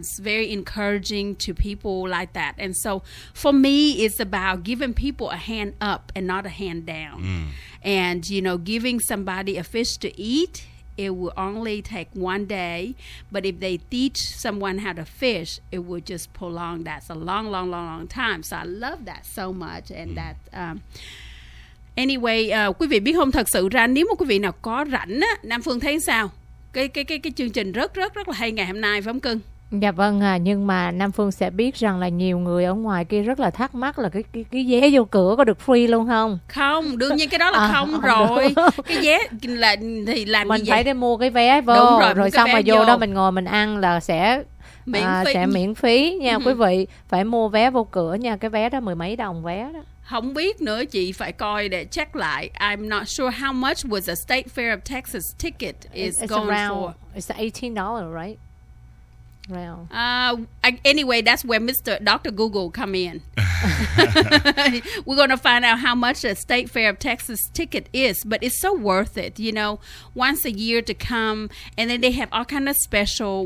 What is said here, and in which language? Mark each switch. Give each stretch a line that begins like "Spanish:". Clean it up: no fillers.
English: It's very encouraging to people like that. And so for me, it's about giving people a hand up and not a hand down. And, you know, giving somebody a fish to eat, it will only take one day. But if they teach someone how to fish, it will just prolong that. It's a long, long, long, long time. So I love that so much. And that
Vietnamese: Anyway, quý vị biết không, thật sự ra nếu mà quý vị nào có rảnh á, Nam Phương thấy sao? Cái chương trình rất là hay ngày hôm nay, phải không cưng? Dạ vâng, nhưng mà Nam Phương sẽ biết rằng là nhiều người ở ngoài kia rất là thắc mắc là cái vé vô cửa có được free luôn không? Không, đương nhiên cái đó là không rồi. Cái vé là thì làm mình gì vậy? Mình phải đi mua cái vé vô, rồi xong mà vô đó mình ngồi mình ăn là sẽ miễn phí. Sẽ miễn phí nha quý vị. Phải mua vé vô cửa nha, cái vé đó mười mấy đồng vé đó. Không biết nữa, chị phải coi để check lại.
English: I'm not sure how much was a State Fair of Texas ticket is going around, for. It's $18, right? Anyway, that's where Mr. Dr. Google come in. We're going to find out how much a State Fair of Texas ticket is, but it's so worth it, you know, once a year to come, and then they have all kind of special.